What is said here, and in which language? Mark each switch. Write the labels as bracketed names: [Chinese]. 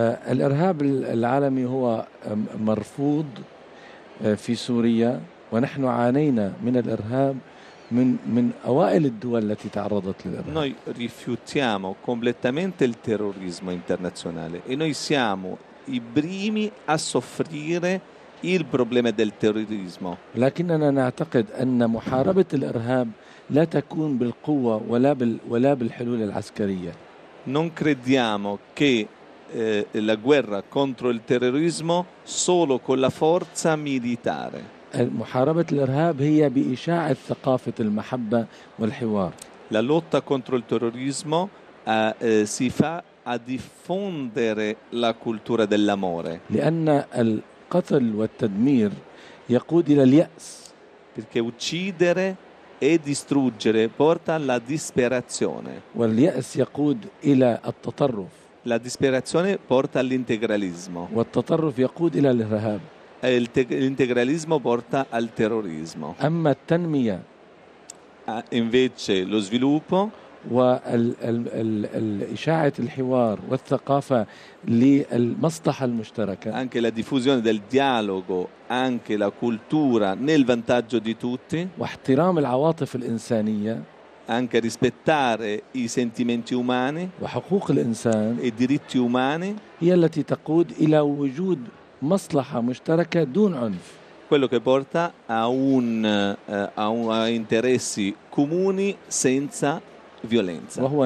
[Arabic] الإرهاب العالمي هو مرفوض في سوريا ونحن عانينا من الإرهاب من أوائل الدول التي تعرضت للإرهاب [Italian] noi rifiutiamo completamente il terrorismo internazionale e noi siamo i primi a soffrire il problema del terrorismo. [Arabic] لكننا نعتقد أن محاربة الإرهاب لا تكون بالقوة ولا بالحلول العسكرية. [Italian] Non crediamo che la guerra contro il terrorismo solo con la forza militare. [Arabic] محاربة الإرهاب هي بإشاعة ثقافة المحبة والحوار. [Italian] La lotta contro il terrorismo si fa a diffondere la cultura dell'amore. [Arabic] لأن القتل والتدمير يقود إلى اليأس. [Italian] Perché uccidere e distruggere porta alla disperazione. [Arabic] واليأس يقود إلى التطرف. [Italian] La disperazione porta all'integralismo. [Arabic] والتطرف يقود إلى الإرهاب. [Italian] L'integralismo porta al terrorismo. [Arabic] أما التنمية. [Italian] Invece lo sviluppo. [Arabic] وإشاعة الحوار والثقافة للمصلحة المشتركة. [Italian] Anche la diffusione del dialogo, anche la cultura nel vantaggio di tutti. [Arabic] واحترام العواطف الإنسانية. [Italian] Anche rispettare i sentimenti umani. [Arabic] وحقوق الإنسان. [Italian] I diritti umani. [Arabic] هي التي تقود إلى وجود مصلحة مشتركة دون عنف. [Italian] Quello che porta a interessi comuni senza violenza.